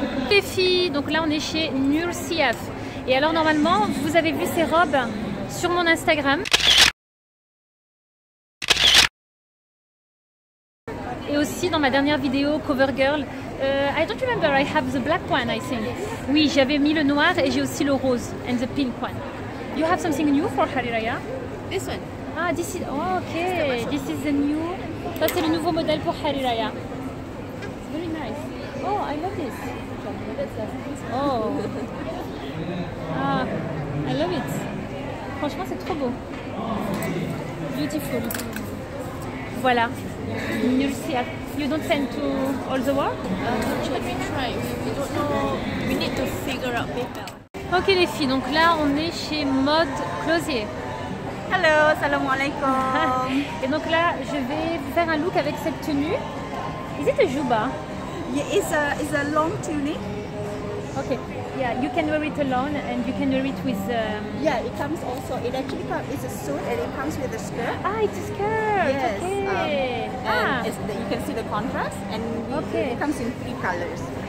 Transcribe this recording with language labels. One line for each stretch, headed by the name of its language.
French: Les filles, donc là on est chez Nursiaf. Et alors, normalement, vous avez vu ces robes sur mon Instagram. Et aussi dans ma dernière vidéo, Cover Girl.
English: I don't remember, I have the black one, I think.
French: Oui, j'avais mis le noir et j'ai aussi le rose
English: and the pink one. You have something new for Hari Raya? This one. Ah, this is... Oh, ok. This is the new...
French: Ça, c'est le nouveau modèle pour Hari Raya.
English: It's very nice. Oh, I love this. Oh. Ah, I love it.
French: Franchement, c'est trop beau.
English: Beautiful. Voilà. You'll see it. You don't send to all the world? Let me try. We don't know. We need to figure out PayPal.
French: Ok les filles, donc là on est chez Mode Closier.
English: Hello, salam alaikum.
French: Et donc là je vais faire un look avec cette tenue.
English: Is it a jouba? Yeah, it's a long tunic. Ok. Yeah, you can wear it alone and you can wear it with... Yeah, it comes also. It actually comes, it's a suit and it comes with a skirt. Ah, it's a skirt. Yes. Okay. You can see the contrast and it comes in three colors.